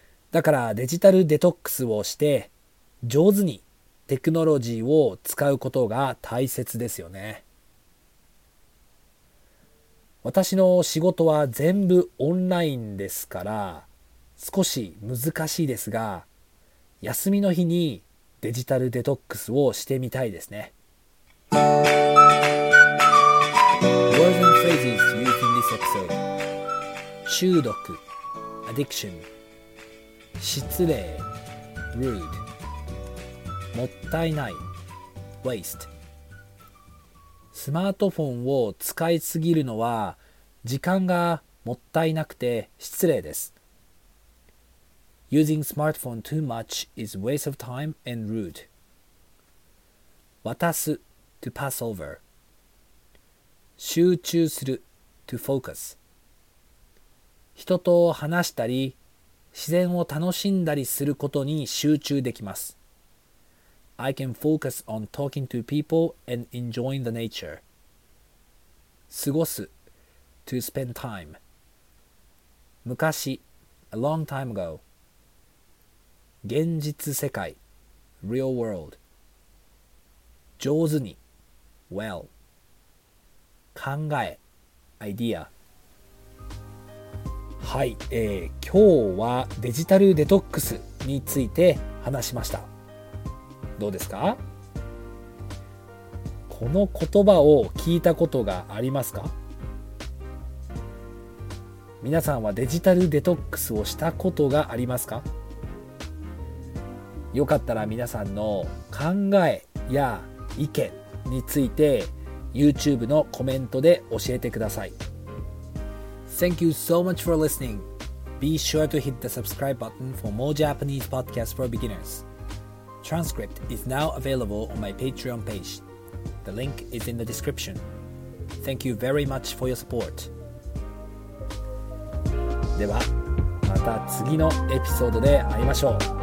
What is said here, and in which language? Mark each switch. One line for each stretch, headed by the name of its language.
Japanese: だからデジタルデトックスをして上手にテクノロジーを使うことが大切ですよね。私の仕事は全部オンラインですから少し難しいですが、休みの日にデジタルデトックスをしてみたいですね。
English: Words and phrases used in this episode: 中毒 addiction、 失礼 rude、 もったいない waste。
Japanese: スマートフォンを使いすぎるのは時間がもったいなくて失礼です。
English: Using smartphone too much is waste of time and rude. 渡す to pass over.
Japanese: 集中する
English: to focus。
Japanese: 人と話したり自然を楽しんだりすることに集中できます。
English: I can focus on talking to people and enjoying the nature。過ごす to spend time。昔 a long time ago。現実世界 real world。上手に well。考え idea。
Japanese: はい、今日はデジタルデトックスについて話しました。どうですか？この言葉を聞いたことがありますか？皆さんはデジタルデトックスをしたことがありますか？よかったら皆さんの考えや意見について YouTube のコメントで教えてください。
English: Thank you so much for listening. Be sure to hit the subscribe button for more Japanese podcasts for beginners. Transcript is now available on my Patreon page. The link is in the description. Thank you very much for your support.
Japanese: では、また次のエピソードで会いましょう。